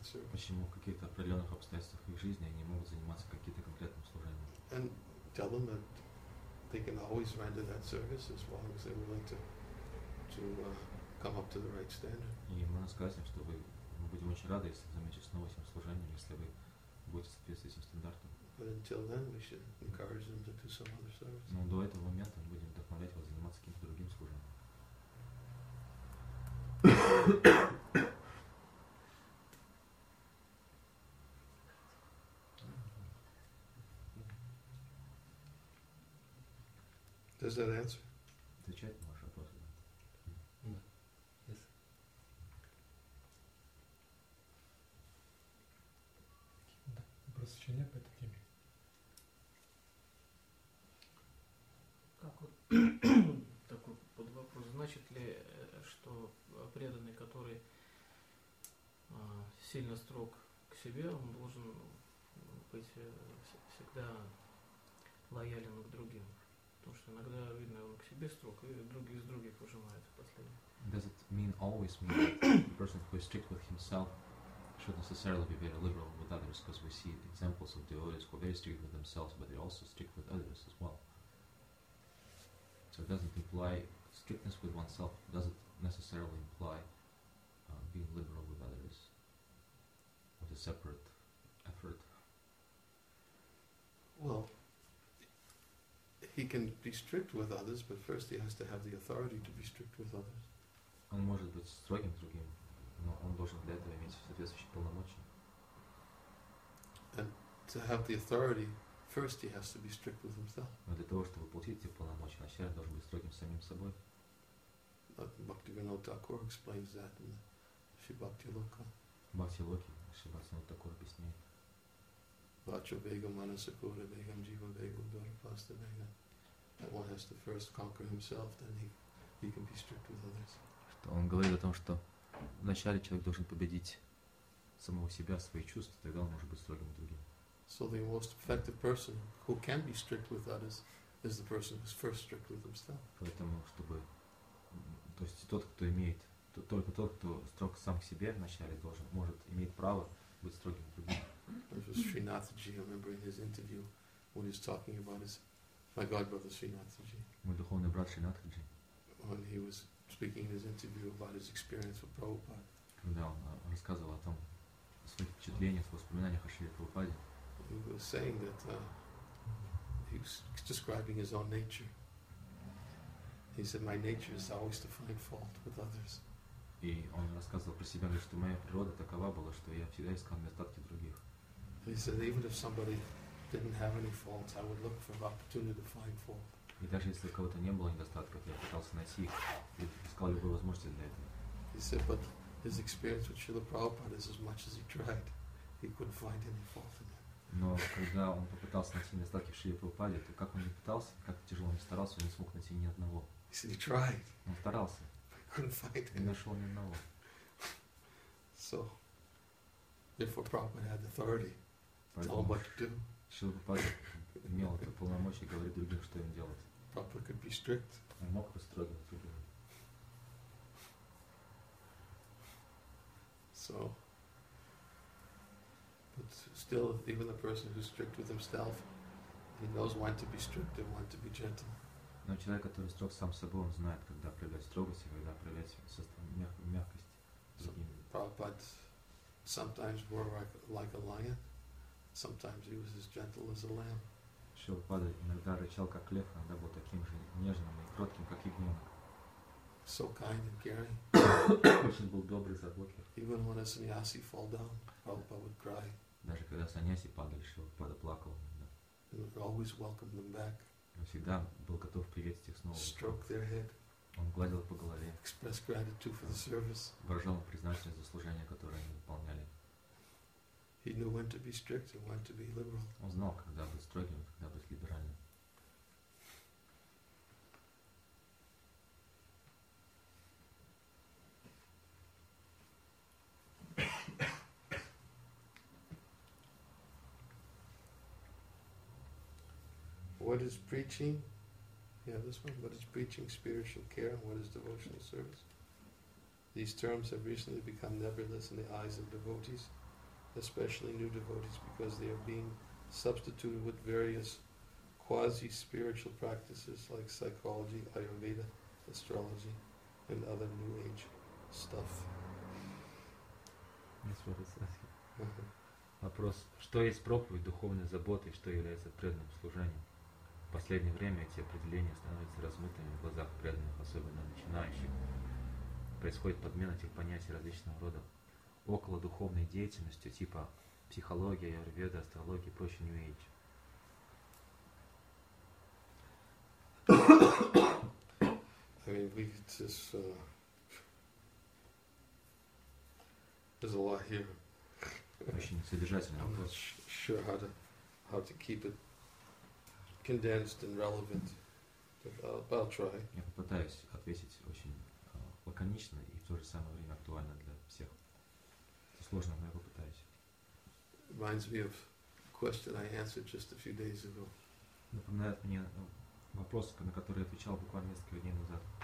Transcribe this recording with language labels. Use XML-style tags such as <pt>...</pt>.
<ru>Почему в каких-то определенных обстоятельствах их жизни они могут заниматься каким-то конкретным служением?</ru> <en>And tell them that they can always render that service as long as they're willing to come up to the right standard.</en> <ru>И можно сказать им, что мы будем очень рады, если займетесь новым этим служением, если вы будете соответствовать этим стандартам.</ru> <en>But until then, we should encourage them to do some other service.</en> <ru>Но до этого момента мы будем вдохновлять вас заниматься каким-то другим служением.</ru> <en>Does that answer? The chat more supposedly. Yes.</en> <ru>Просто чё не по этой теме. Как вот такой под вопрос. Значит ли, что преданный, который сильно строг к себе, он должен быть всегда лоялен к другим. Потому что иногда видно, он к себе строг, и другие с другими пожимают в последнее.</ru> <en>Does it mean always mean that the person who is strict with himself should necessarily be very liberal with others, because we see examples of devotees who are very strict with themselves, but they also strict with others as well. So it doesn't imply strictness with oneself, does it necessarily imply being liberal with others with a separate effort? Well, he can be strict with others, but first he has to have the authority to be strict with others.</en> <ru>Он может быть строгим к другим, но он должен для этого иметь соответствующие полномочия.</ru> <en>And to have the authority, first he has to be strict with himself.</en> <ru>Но для того, чтобы получить эти полномочия, вначале должен быть строгим с самим собой.</ru> <en>Bhaktivinoda Thakur explains that in the Shibhakti Loka.</en> <ru>Bhakti Loki, Shibhaktivinoda Thakur объясняет.</ru> <sa>Vacha vegam manasakura vegam jiva vegam dharapasta vegam.</sa> <en>That one has to first conquer himself, then he can be strict with others.</en> <ru>Он говорит о том, что вначале человек должен победить самого себя, свои чувства, тогда он может быть строгим к другим.</ru> <en>So the most effective person who can be strict with others is the person who's first strict with himself.</en> <ru>Поэтому, чтобы, то есть тот, кто имеет, только тот, кто строг сам к себе вначале, должен, может иметь право быть строгим к другим.</ru> <en>This was Srinathaji, I remember in his interview when he was talking about his, my god brother Srinathaji.</en> <ru>Мой духовный брат Srinathaji.</ru> <en>When he was speaking in his interview about his experience with Prabhupada.</en> <ru>Когда он рассказывал о том, о своих впечатлениях, о воспоминаниях о Шриле Прабхупаде.</ru> <en>He was saying that he was describing his own nature. He said, my nature is always to find fault with others.</en> <ru>И он рассказывал про себя, что моя природа такова была, что я всегда искал недостатки других.</ru> <en>He said, even if somebody didn't have any faults, I would look for an opportunity to find fault.</en> <ru>И даже если у кого-то не было недостатков, я пытался найти их и искал любую возможность для этого.</ru> <en>He said, but his experience with Srila Prabhupada is as much as he tried, he couldn't find any fault in it.</en> <ru>Но когда он попытался найти недостатки в Шриле Прабхупаде, то как он ни пытался, как тяжело он ни старался, он не смог найти ни одного.</ru> <en>He said, he tried.</en> <ru>Он старался.</ru> <en>But couldn't find any.</en> <ru>Не нашел ни одного.</ru> <en>So, therefore Prabhupada had authority. Tell him what to do.</en> <ru>Шрила Прабхупада имел это полномочие говорить другим, что им делать.</ru> <en>Prabhupada could be strict.</en> <ru>Он мог бы строгим другим.</ru> <en>So, but still, even the person who's strict with himself, he knows when to be strict and when to be gentle.</en> <ru>Но человек, который строг сам собой, он знает, когда проявлять строгость и когда проявлять мягкость.</ru> <en>So, Prabhupada sometimes wore like a lion. Sometimes he was as gentle as a lamb.</en> <ru>Шилпада иногда рычал как лев, иногда был таким же нежным и кротким, как ягненок.</ru> <en>So kind and caring.</en> <ru>Очень был добрый, заботливый.</ru> <en>Even when a sannyasi fall down, Prabhupada would cry.</en> <ru>Даже когда саньяси падали, Шилпада плакал. Да.</ru> <en>He would always welcome them back.</en> <ru>Он всегда был готов приветствовать их снова.</ru> <en>Stroke their head.</en> <ru>Он гладил по голове.</ru> <en>Express gratitude for the service.</en> <ru>Выражал признательность за служение, которое они выполняли.</ru> <en>He knew when to be strict and when to be liberal.</en> <ru>Он знал, когда быть строгим, когда быть либеральным.</ru> <en>What is preaching? Yeah, this one. What is preaching? Spiritual care. And what is devotional service? These terms have recently become nebulous in the eyes of devotees, especially new devotees, because they are being substituted with various quasi-spiritual practices like psychology, Ayurveda, astrology, and other New Age stuff. That's what it says.</en> <ru>Вопрос. Что есть проповедь духовной заботы, что является преданным служением? В последнее время эти определения становятся размытыми в глазах преданных, особенно начинающих. Происходит подмена этих понятий различного рода. Около духовной деятельности, типа психология, аюрведа, астрология и прочее New Age.</ru> <en>I mean, we just there's a lot here.</en> <ru>Очень содержательный вопрос.</ru> <en>Sure how to keep it condensed and relevant. I'll try.</en> <ru>Я попытаюсь ответить очень лаконично и в то же самое время актуально для всех. Сложно, но я попытаюсь.</ru> <en>Reminds me of a question I answered just a few days ago.</en> <ru>напоминает мне вопрос, на который отвечал буквально несколько дней назад.</ru>